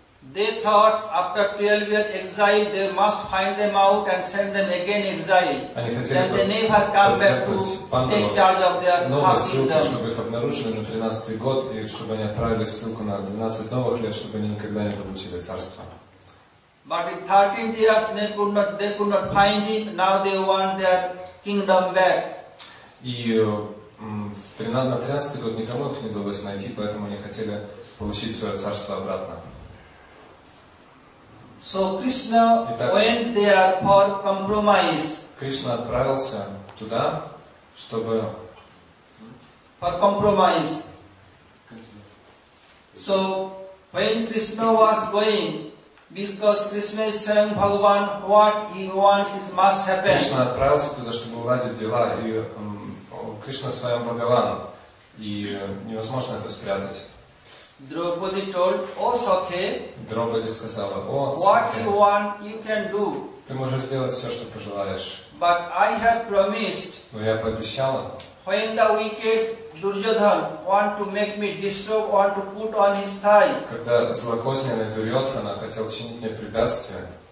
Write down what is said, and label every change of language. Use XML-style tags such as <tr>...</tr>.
<en>They thought after 12 years exile, they must find them out and send them again exile. Then they never come back to take charge of their house.</en> <ru>Чтобы их обнаружили на 13-й год и чтобы они отправились в ссылку на 12 новых лет, чтобы они никогда не получили царство.</ru> <en>But in 13 years they could not find him. Now they want their kingdom back.</en> <ru>И на 13-й год никому их не удалось найти, поэтому они хотели получить свое царство обратно.</ru> <en>So Krishna went there for compromise.</en> <ru>Кришна отправился туда, чтобы</ru> <en>for compromise. So when Krishna was going, because Krishna is Swayam Bhagavan, what he wants is must happen.</en> <ru>Кришна отправился туда, чтобы уладить дела, и Кришна Свайам Бхагаван, и невозможно это спрятать.</ru> <en>Draupadi told, "Oh, Sakhe."</en> <ru>Draupadi сказала, "О, Сакхе,</ru> <en>what you want, you can do.</en> <ru>Ты можешь сделать все, что пожелаешь.</ru> <en>But I have promised.</en> <ru>Но я пообещала.</ru> <en>When the wicked Duryodhan want to make me disturb, want to put on his thigh.</en> <ru>Когда злокозненный Дурьотхана хотел чинить мне препятствия.</ru>